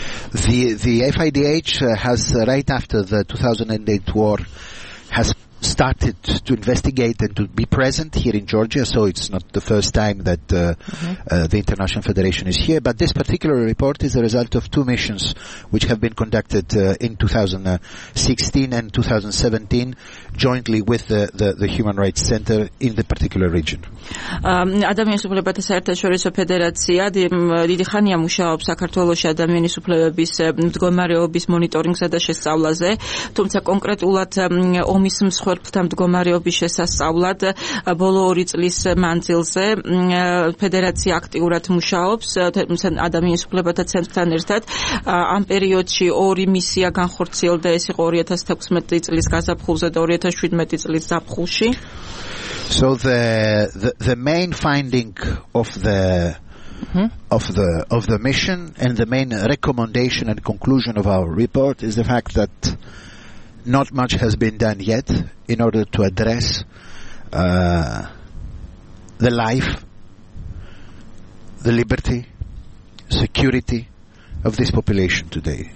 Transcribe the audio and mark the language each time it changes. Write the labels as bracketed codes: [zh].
[en] The FIDH has, right after the 2008 war, has started to investigate and to be present here in Georgia, so it's not the first time that the International Federation is here, but this particular report is the result of two missions which have been conducted in 2016 and 2017 jointly with the Human Rights Center in the particular region. [ka] ადამიანის უფლებათა საერთაშორისო ფედერაცია დიდი ხანია მუშაობს საქართველოს ადამიანის უფლებების მდგომარეობის მონიტორინგსა და შესწავლაზე, თუმცა კონკრეტულად ომის მსხვერპლთა მდგომარეობის შესასწავლად ბოლო ორი წლის მანძილზე ფედერაცია აქტიურად მუშაობს ადამიანის უფლებათა ცენტრთან ერთად. ამ პერიოდში ორი მისია განხორციელდა, ეს იყო 2016 წლის გაზაფხულზე და 2017 წლის ზაფხულში. [en] So the main finding of the of the mission and the main recommendation and conclusion of our report is the fact that not much has been done yet in order to address the life, the liberty, security of this population today.